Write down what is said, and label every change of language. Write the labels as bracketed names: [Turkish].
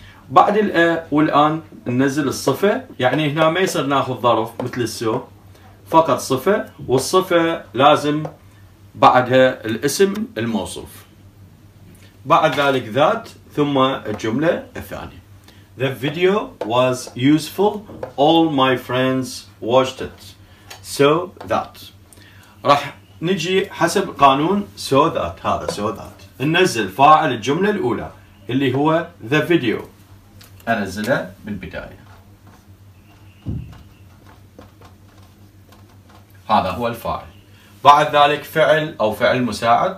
[Arabic] بعد الأ والأن ننزل الصفة، يعني هنا ما يصير نأخذ ظرف مثل السو، فقط صفة، والصفة لازم بعدها الاسم الموصوف، بعد ذلك ذات، ثم الجملة الثانية [English] The video was useful. All my friends watched it. So that. [Arabic] راح نجي حسب قانون so that. [English] هذا so that. [Arabic] ننزل فاعل الجملة الأولى اللي هو [English] the video. [Arabic] أنزله من البداية. هذا هو الفاعل. بعد ذلك فعل أو فعل مساعد.